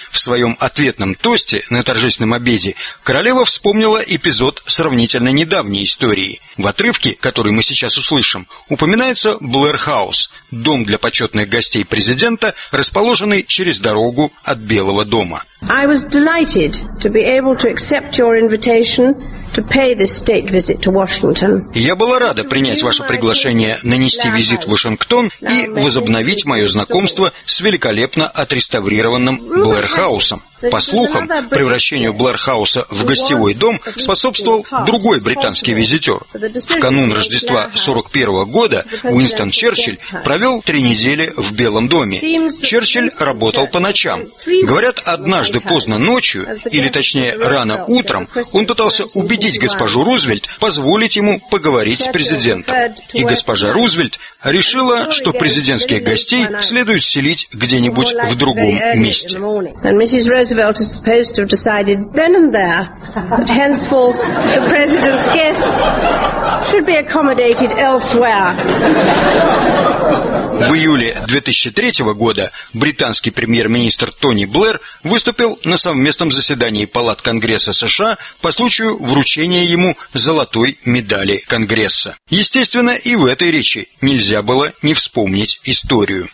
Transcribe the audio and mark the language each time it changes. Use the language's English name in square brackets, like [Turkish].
[Russian] В своем ответном тосте на торжественном обеде королева вспомнила эпизод сравнительно недавней истории. В отрывке, который мы сейчас услышим, упоминается Блэр-хаус, дом для почетных гостей президента, расположенный через дорогу от Белого дома. [English] I was delighted to be able to accept your invitation to pay this state visit to Washington. [Russian] Я была рада принять ваше приглашение нанести визит в Вашингтон и возобновить мое знакомство с великолепно отреставрированным Блэр-хаусом. По слухам, превращению Блэр-хауса в гостевой дом способствовал другой британский визитер. В канун Рождества 41 года Уинстон Черчилль провел 3 недели в Белом доме. Черчилль работал по ночам. Говорят, однажды поздно ночью, или точнее рано утром, он пытался убедить госпожу Рузвельт позволить ему поговорить с президентом. И госпожа Рузвельт решила, что президентских гостей следует селить где-нибудь в другом месте. [English] Roosevelt is supposed to have decided then and there that henceforth the president's guests should be accommodated elsewhere. [Russian] В июле 2003 года британский премьер-министр Тони Блэр выступил на совместном заседании Палат Конгресса США по случаю вручения ему золотой медали Конгресса. Естественно, и в этой речи нельзя было не вспомнить историю.